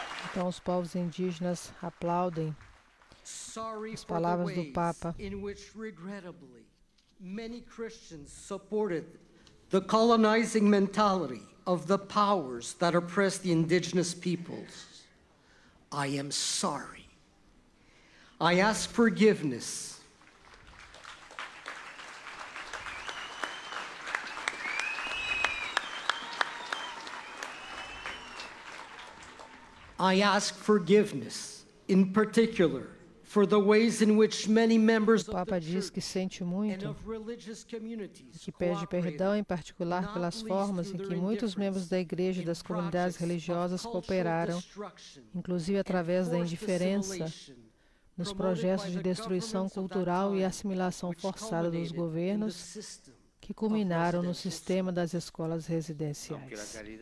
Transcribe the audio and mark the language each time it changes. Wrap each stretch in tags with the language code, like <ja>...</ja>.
<pt>Então os povos indígenas aplaudem as palavras do Papa.</pt> <en>In which, regrettably, many Christians supported the colonizing mentality of the powers that oppress the indigenous peoples. I am sorry. I ask forgiveness. I ask forgiveness, in particular, for the ways in which many members of the</en> <pt>diz que sente muito e que pede perdão, em particular pelas formas em que muitos membros da igreja e das comunidades religiosas cooperaram, inclusive através da indiferença, nos projetos de destruição cultural e assimilação forçada dos governos que culminaram no sistema das escolas residenciais.</pt>